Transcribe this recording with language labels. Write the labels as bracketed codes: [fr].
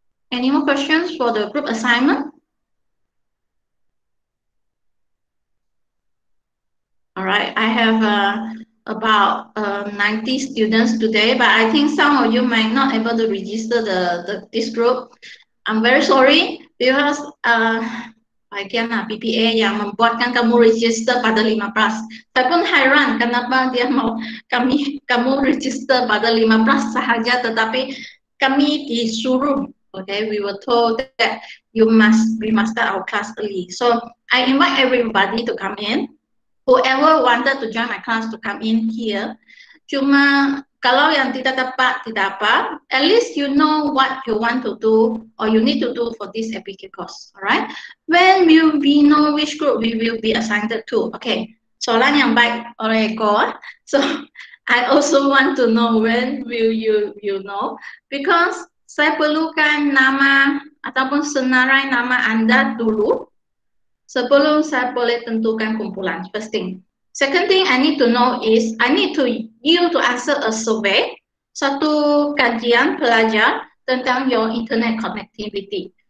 [en] Any more questions for the group assignment? All right, I have about 90 students today, but I think some of you might not able to register this group. I'm very sorry because [ms] bagian BPA yang membuatkan kamu register pada 15. Saya pun heran kenapa dia mau kamu register pada 15 sahaja, tetapi kami disuruh. [en] Okay, we were told that you must be master our class early. So I invite everybody to come in. Whoever wanted to join my class to come in here. [ms] Cuma kalau yang tidak dapat, tidak apa. [en] At least you know what you want to do or you need to do for this APK course, alright? When will we know which group we will be assigned to? [ms] Okay, soalan yang baik oleh Eko. [en] So, I also want to know when will you know. [ms] Because saya perlukan nama ataupun senarai nama anda dulu sebelum saya boleh tentukan kumpulan, [en] first thing. Second thing I need to know is I need to you to answer a survey, [ms] satu kajian pelajar tentang [en] your internet connectivity.